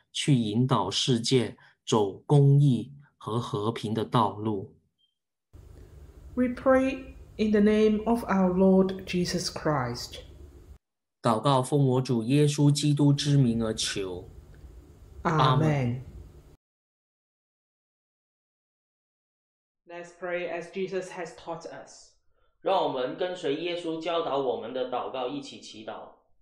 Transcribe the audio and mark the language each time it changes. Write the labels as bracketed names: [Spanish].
[Chinese] 去引导世界走公益和和平的道路。 [English] We pray in the name of our Lord Jesus Christ. [Chinese] 祷告奉我主耶稣基督之名而求，阿门。 [English] Amen. Let's pray as Jesus has taught us. [Chinese] 让我们跟随耶稣教导我们的祷告一起祈祷。